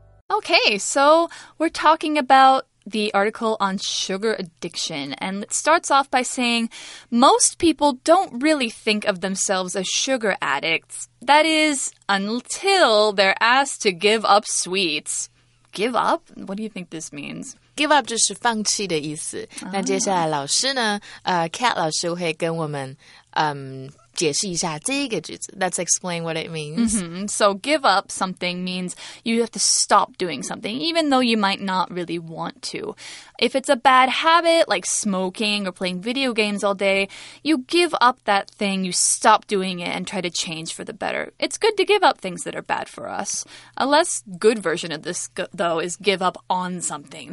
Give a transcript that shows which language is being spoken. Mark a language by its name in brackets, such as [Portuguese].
[English] Okay, so we're talking about the article on sugar addiction, and it starts off by saying, most people don't really think of themselves as sugar addicts. That is, until they're asked to give up sweets. Give up? What do you think this means? [Chinese] Give up 就是放弃的意思。那接下来老师呢Kat 老师会跟我们解释一下这个句子。 [English] Let's explain what it means. Mm-hmm. So give up something means you have to stop doing something, even though you might not really want to. If it's a bad habit, like smoking or playing video games all day, you give up that thing, you stop doing it and try to change for the better. It's good to give up things that are bad for us. A less good version of this, though, is give up on something.